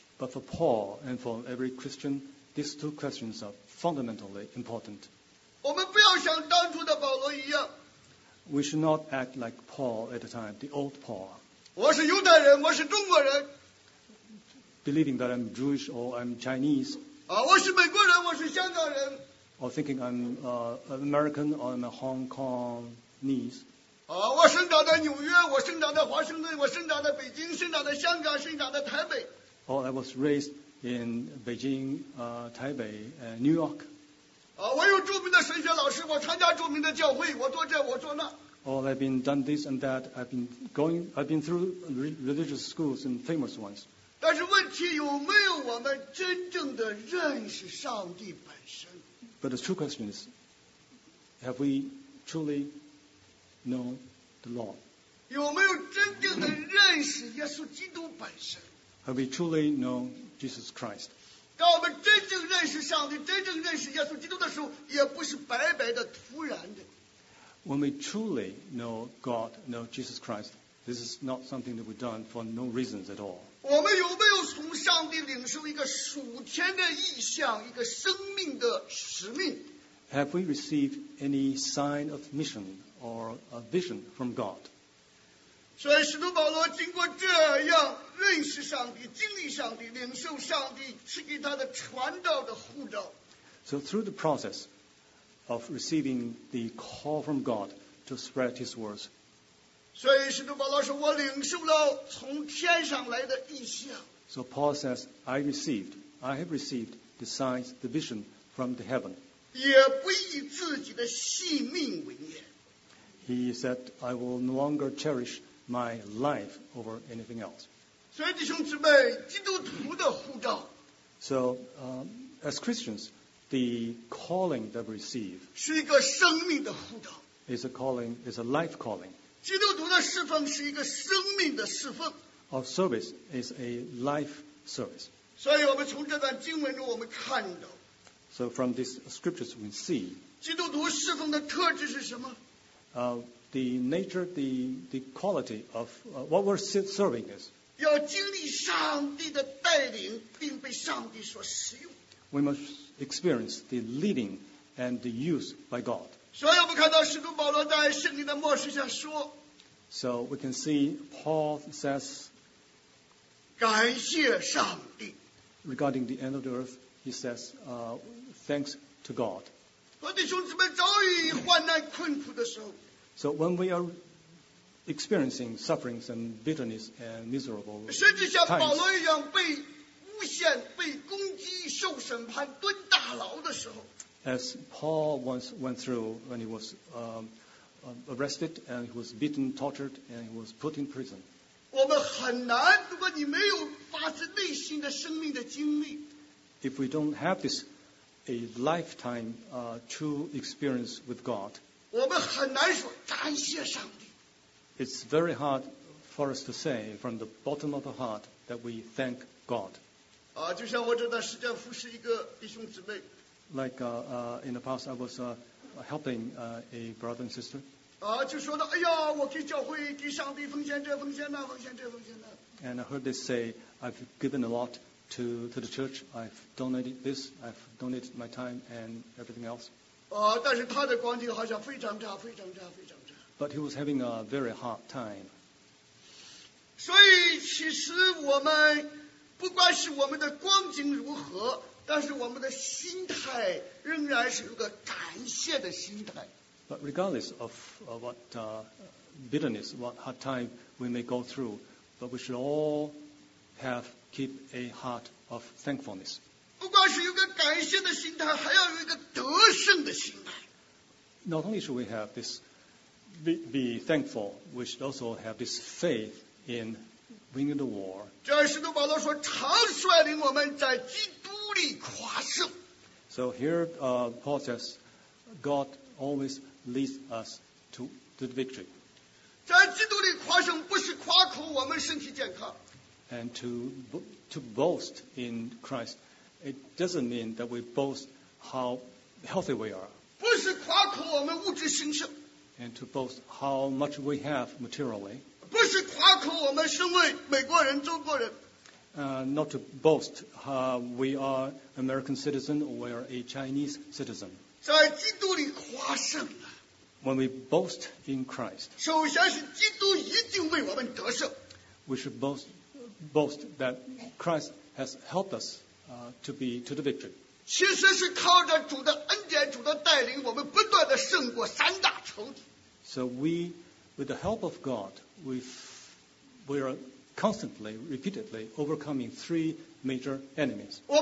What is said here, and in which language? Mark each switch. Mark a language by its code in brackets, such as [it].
[en] But for Paul and for every Christian, these two questions are fundamentally important. [zh] 我们不要像当初的保罗一样。 [en] We should not act like Paul at the time, the old Paul. [zh] 我是犹太人，我是中国人。 [en] Believing that I'm Jewish or I'm Chinese. [zh] 我是美国人，我是香港人。 [en] Or thinking I'm American or I'm a Hong Kong knees. [zh] 我生长在纽约，我生长在华盛顿，我生长在北京，生长在香港，生长在台北。 [en] Oh, I was raised in Beijing, Taipei, New York. [zh] 我有著名的神学老师，我参加著名的教会，我做这，我做那。 [en] Oh, I've been done this and that. I've been through religious schools and famous ones. [zh] 但是问题有没有我们真正的认识上帝本身？ [en] But the true question is, have we truly know the Lord? [zh] 有没有真正的认识耶稣基督本身？ [en] Have we truly know Jesus Christ? [zh] 当我们真正认识上帝，真正认识耶稣基督的时候，也不是白白的，突然的。 [en] When we truly know God, know Jesus Christ, this is not something that we've done for no reasons at all. [zh] 我们有没有从上帝领受一个属天的意象，一个生命的使命？ [en] Have we received any sign of mission or a vision from God? [zh] 所以使徒保罗经过这样认识上帝，经历上帝，领受上帝赐给他的传道的护照。 [en] So through the process,of receiving the call from God to spread His words. [zh] 所以使徒保罗说，我领受了从天上来的异象。 [en] So Paul says, I have received the signs, the vision from the heaven. [zh] 也不以自己的性命为念。 [en] He said, I will no longer cherish my life over anything else. [zh] 所以弟兄姊妹，基督徒的护照。 [en] So, as Christians,The calling that we receive [zh] 是一个生命的护照。 [en] Is a calling, is a life calling. [zh] 基督徒的侍奉是一个生命的侍奉。 [en] Our service is a life service. [zh] 所以我们从这段经文中我们看到。 [en] So from these scriptures we see. [zh] 基督徒侍奉的特质是什么？ [en] The nature, the quality of what we're serving is. [zh] 要经历上帝的带领，并被上帝所使用。 [en] We must. Experience the leading and the use by God. So we can see Paul says, [zh] 感谢上帝 [en] regarding the end of the earth, he says, thanks to God. [zh] 和弟兄姊妹遭遇患难困苦的时候 [en] So when we are experiencing sufferings and bitterness and miserable times, [zh] 甚至像保罗一样被诬陷、被攻击、受审判、蹲大牢的时候 [en] ，As Paul once went through when he was arrested and he was beaten, tortured and he was put in prison， [zh] 我们很难，如果你没有发自内心的生命的经历 [en] ，If we don't have this a lifetime true experience with God， [zh] 我们很难说感谢上帝。 [en] It's very hard for us to say from the bottom of our heart that we thank God。 [zh] 就像我这段时间服侍一个弟兄姊妹。 [en] Like in the past, I was helping a brother and sister. [zh] 就说到，哎呀，我给教会、给上帝奉献这、奉献那、奉献这、奉献那。 [en] And I heard they say, I've given a lot to the church. I've donated this. I've donated my time and everything else. [zh] 但是他的光景好像非常差，非常差，非常差。 [en] But he was having a very hard time. [zh] 所以其实我们。不管是我们的光景如何，但是我们的心态仍然是一个感谢的心态。 [en] But regardless of what bitterness, what hard time we may go through, but we should all have keep a heart of thankfulness. [zh] 不管是有个感谢的心态，还要有一个得胜的心态。 [en] Not only should we have this be thankful, we should also have this faith in. Winning the war. [zh] 这使徒保罗说，常率领我们在基督里夸胜。 [en] So here, Paul says, God always leads us to the victory. [zh] 在基督里夸胜不是夸口我们身体健康。 [en] And to boast in Christ, it doesn't mean that we boast how healthy we are. [zh] 不是夸口我们物质兴盛。 [en] And to boast how much we have materially. [zh] 不是夸口我们身为美国人、中国人。 [en] Not to boast, we are American citizen or we are a Chinese citizen. [zh] 在基督里夸胜了。 [en] When we boast in Christ. [zh] 首先是基督已经为我们得胜。 [en] We should boast that Christ has helped us to the victory. [zh] 其实是靠着主的恩典、主的带领，我们不断的胜过三大仇敌。 [en] So we, with the help of God, we are constantly, repeatedly overcoming three major enemies.